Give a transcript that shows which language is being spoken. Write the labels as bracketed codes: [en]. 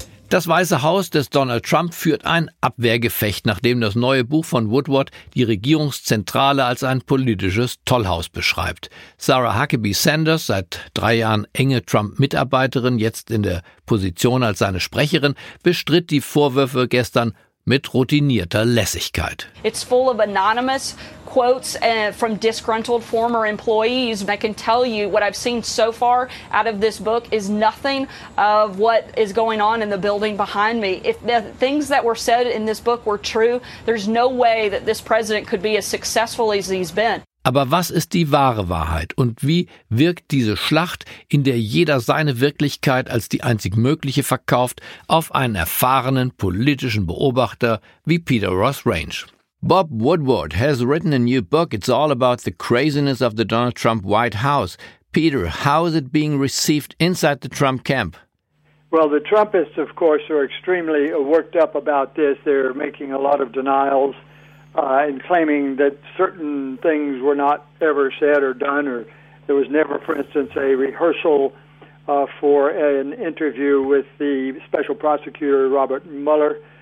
[de] Das Weiße Haus des Donald Trump führt ein Abwehrgefecht, nachdem das neue Buch von Woodward die Regierungszentrale als ein politisches Tollhaus beschreibt. Sarah Huckabee Sanders, seit 3 Jahren enge Trump-Mitarbeiterin, jetzt in der Position als seine Sprecherin, bestritt die Vorwürfe gestern mit routinierter Lässigkeit. [en] It's full of anonymous quotes from disgruntled former employees. And I can tell you what I've seen so far out of this book is nothing of what is going on in the building behind me. If the things that were said in this book were true, there's no way that this president could be as successful as he's been. [de] Aber was ist die wahre Wahrheit und wie wirkt diese Schlacht, in der jeder seine Wirklichkeit als die einzig mögliche verkauft, auf einen erfahrenen politischen Beobachter wie Peter Ross Range? [en] Bob Woodward has written a new book. It's all about the craziness of the Donald Trump White House. Peter, how is it being received inside the Trump camp? Well, the Trumpists, of course, are extremely worked up about this. They're making a lot of denials. And claiming that certain things were not ever said or done, or there was never, for instance, a rehearsal for an interview with the special prosecutor, Robert Mueller.